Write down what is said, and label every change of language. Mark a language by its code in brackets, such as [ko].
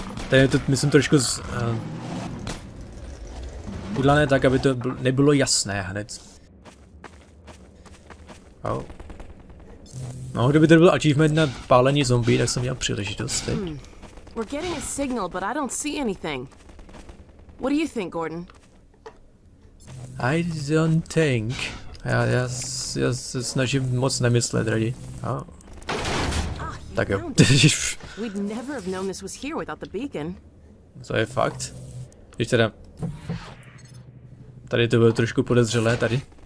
[cs] Tady je to, myslím, trošku z... udlané tak, aby to nebylo jasné hned. Oh. No, kdyby to byl achievement na pálení zombie, tak jsem měl příležitost teď. [en] We're getting a signal, but I don't see anything. What do you think, Gordon? I don't think. [cs] Já se snažím moc nemyslet, raději. Oh. Tak jo. [en] We'd never have known this was here without the beacon. [cs] To je fakt. Když teda... Tady to bylo trošku podezřelé, tady.